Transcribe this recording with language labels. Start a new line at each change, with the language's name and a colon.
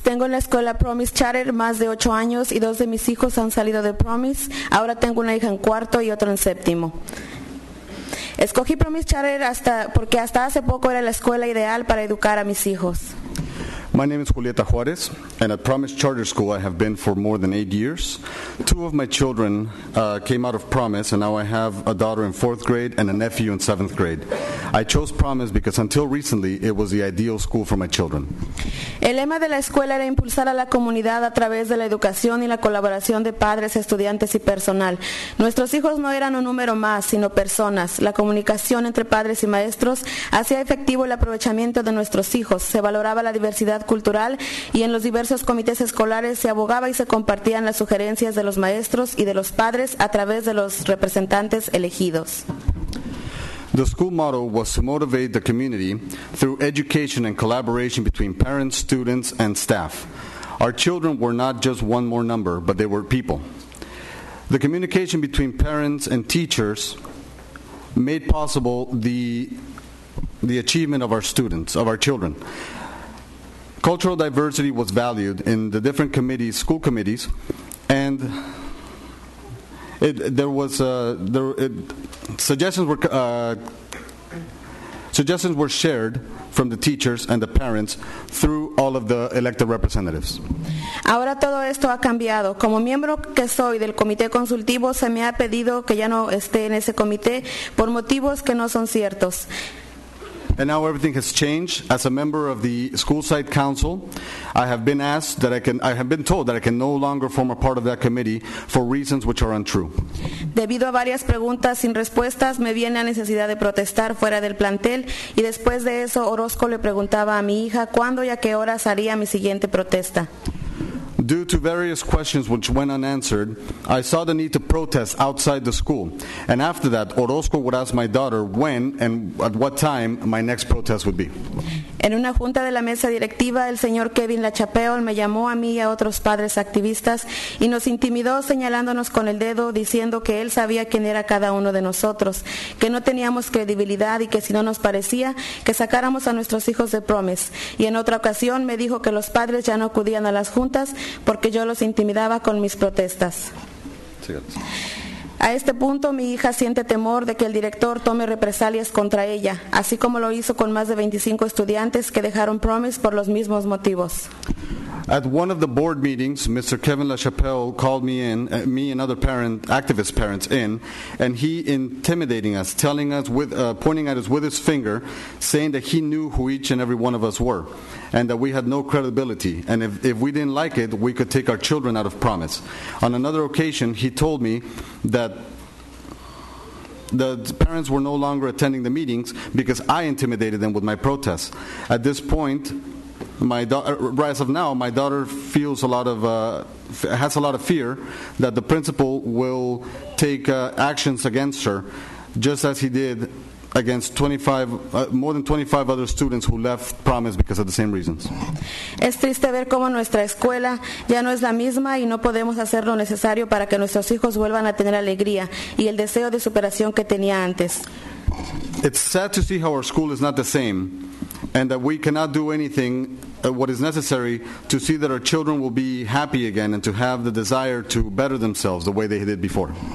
Spanish: Tengo en la escuela Promise Charter más de 8 años y 2 de mis hijos han salido de Promise. Ahora tengo una hija en cuarto y otra en séptimo. Escogí Promise Charter porque hasta hace poco era la escuela ideal para educar a mis hijos.
English: My name is Julieta Juarez, and at Promise Charter School I have been for more than 8 years. Two of my children came out of Promise, and now I have a daughter in fourth grade and a nephew in seventh grade. I chose Promise because until recently it was the ideal school for my children.
Spanish: El lema de la escuela era impulsar a la comunidad a través de la educación y la colaboración de padres, estudiantes y personal. Nuestros hijos no eran un número más, sino personas. La comunicación entre padres y maestros hacía efectivo el aprovechamiento de nuestros hijos. Se valoraba la diversidad cultural y en los diversos comités escolares se abogaba y se compartían las sugerencias de los maestros y de los padres a través de los representantes elegidos.
English: The school motto was to motivate the community through education and collaboration between parents, students, and staff. Our children were not just one more number, but they were people. The communication between parents and teachers made possible the achievement of our students, of our children. Cultural diversity was valued in the different committees, school committees, and suggestions were shared from the teachers and the parents through all of the elected representatives.
Spanish: Ahora todo esto ha cambiado. Como miembro que soy del comité consultivo, se me ha pedido que ya no esté en ese comité por motivos que no son ciertos.
English: And now everything has changed. As a member of the school site council, I have been told that I can no longer form a part of that committee for reasons which are untrue.
Spanish: Debido a varias preguntas sin respuestas, me viene la necesidad de protestar fuera del plantel, y después de eso Orozco le preguntaba a mi hija cuándo y a qué horas haría mi siguiente protesta.
English: Due to various questions which went unanswered, I saw the need to protest outside the school. And after that, Orozco would ask my daughter when and at what time my next protest would be.
Spanish: En una junta de la mesa directiva, el señor Kevin LaChapelle me llamó a mí y a otros padres activistas y nos intimidó señalándonos con el dedo, diciendo que él sabía quién era cada uno de nosotros, que no teníamos credibilidad y que si no nos parecía, que sacáramos a nuestros hijos de Promise. Y en otra ocasión me dijo que los padres ya no acudían a las juntas porque yo los intimidaba con mis protestas. A este punto, mi hija siente temor de que el director tome represalias contra ella, así como lo hizo con más de 25 estudiantes que dejaron Promise por los mismos motivos.
English: At one of the board meetings, Mr. Kevin LaChapelle called me and other activist parents in, and he intimidating us, telling us with pointing at us with his finger, saying that he knew who each and every one of us were, and that we had no credibility, and if we didn't like it, we could take our children out of Promise. On another occasion, he told me that the parents were no longer attending the meetings because I intimidated them with my protests. At this point, my daughter feels has a lot of fear that the principal will take actions against her, just as he did against more than 25 other students who left Promise because of the same reasons.
Spanish: Es triste ver cómo nuestra escuela ya no es la misma y no podemos hacer lo necesario para que nuestros hijos vuelvan a tener alegría y el deseo de superación que tenía antes.
English: It's sad to see how our school is not the same, and that we cannot do anything what is necessary to see that our children will be happy again and to have the desire to better themselves the way they did before.